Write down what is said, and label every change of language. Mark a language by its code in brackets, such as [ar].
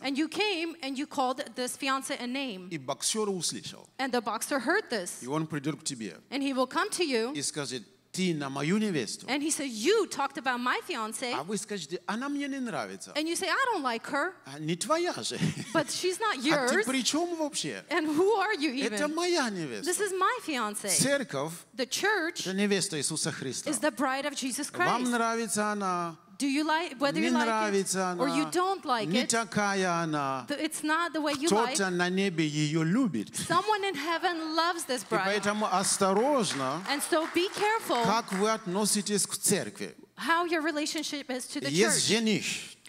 [en] And you came and you called this fiance a name. [ru] И боксер услышал. [en] And the boxer heard this. [ru] И он придет к тебе. [en] And he will come to you. [ru] И скажет, ты на мою невесту. [en] And he said, you talked about my fiance. [ru] А вы скажете, она мне не нравится. [en] And you say, I don't like her. [ru] А не твоя же. [en] But she's not yours. [ru] А ты при чем вообще? [en] And who are you even? [ru] Это моя невеста. [en] This is my fiance. [ru] Церковь. [en] The church. [ru] Это невеста Иисуса Христа. [en] Is the bride of Jesus Christ. [ru] Вам нравится она? [en] Do you like, whether you like it or you don't like it, it's not the way you like. Someone in heaven loves this bride. And so be careful how your relationship is to the church.